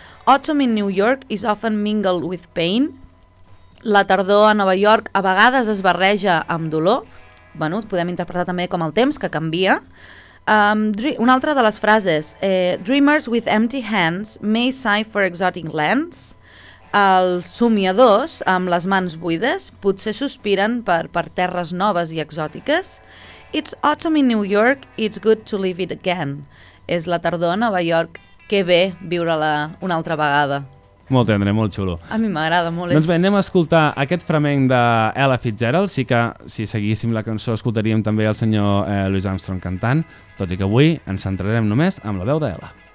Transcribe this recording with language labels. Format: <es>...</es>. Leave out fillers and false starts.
<en>«Autumn in New York is often mingled with pain».</en> <ca>La tardor a Nova York a vegades es barreja amb dolor. Bueno, podem interpretar també com el temps, que canvia. Una altra de les frases.</ca> <en>Dreamers with empty hands may sigh for exotic lands.</en> <ca>Els somiadors, amb les mans buides, potser sospiren per terres noves i exòtiques.</ca> <en>It's autumn in New York, it's good to live it again.</en> <ca>És la tardor a Nova York, que bé viure-la una altra vegada. Molt tendre, molt xulo. A mi m'agrada molt. Doncs bé, anem a escoltar aquest fragment de Ella Fitzgerald. Sí que, si seguíssim la cançó, escoltaríem també el senyor Louis Armstrong cantant, tot i que avui ens centrarem només amb la veu d'Ella.</ca>